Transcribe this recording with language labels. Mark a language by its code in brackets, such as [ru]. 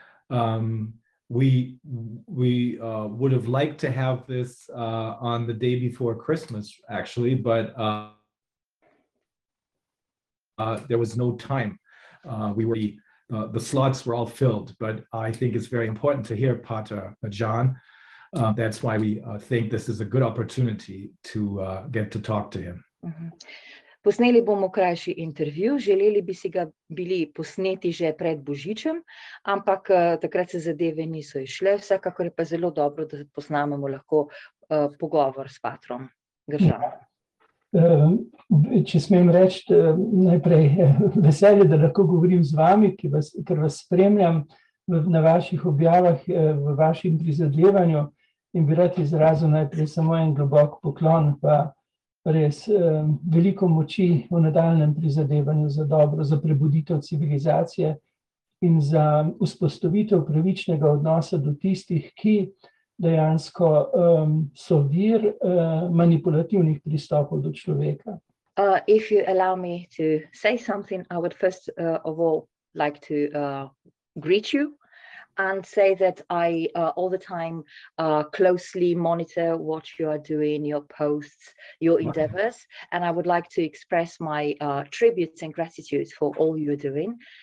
[en] We would have liked to have this on the day before Christmas, actually, but there was no time. The slots were all filled, but I think it's very important to hear Pater Gržan. That's why we think this is a good opportunity to get to talk to him. [sl] Posneli bomo krajši intervju, želeli bi si ga bili posneti že pred Božičem, ampak takrat se zadeve niso izšle, vsekakor je pa zelo dobro, da posnamemo lahko pogovor s Patrom Gržanom. Če smem reči najprej veselje, da lahko govorim z vami, ker vas spremljam na vaših objavah, v vašem prizadevanju in bi rad izrazil najprej samo en globok poklon, pa res veliko moči v nadaljnem prizadevanju za dobro, za prebuditev civilizacije in za vzpostavitev pravičnega odnosa do tistih, ki dejansko so vir manipulativnih pristopov do človeka. [en] If you allow me to say something, I would first of all like to greet you and say that I all the time closely monitor what you are doing, your posts, your endeavors, and I would like to express my tributes and gratitude for all you're doing,